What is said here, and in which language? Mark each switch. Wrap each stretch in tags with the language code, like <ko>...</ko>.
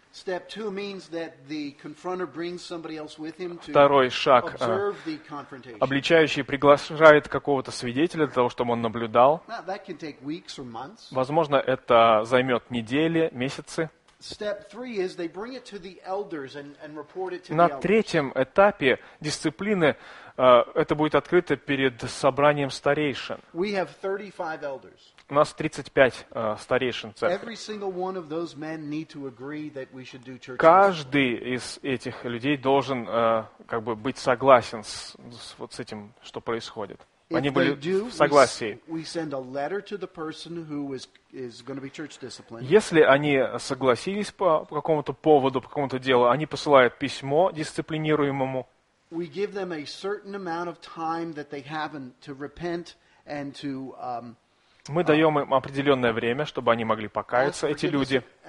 <en>Step 2 means that the confronter brings somebody else with him to</en> <ru>Второй шаг,</ru> <en>observe the confrontation.</en> <ru>Обличающий приглашает какого-то свидетеля для того, чтобы он наблюдал.</ru> <en>Now, that can take weeks or months.</en> <ru>Возможно, это займет недели, месяцы.</ru> <en>Step 3 is they bring it to the elders and report it to the</en> <ru>На третьем этапе дисциплины это будет открыто перед собранием старейшин.</ru> <en>We have 35 elders.</en> <ru>У нас 35 старейшин церкви.</ru> <en>Every single one of those men need to agree that we should do church.</en> <ru>Каждый из этих людей должен как бы быть согласен с вот с этим, что происходит. Они были в согласии.</ru> <en>We send a letter to the person who is going to be church disciplined.</en> <ru>Если они согласились по какому-то поводу, по какому-то делу, они посылают письмо дисциплинируемому.</ru> <en>We give them a certain amount of time that they have to repent and to</en> <ru>Мы даем им определенное время, чтобы они могли покаяться, эти люди.</ru>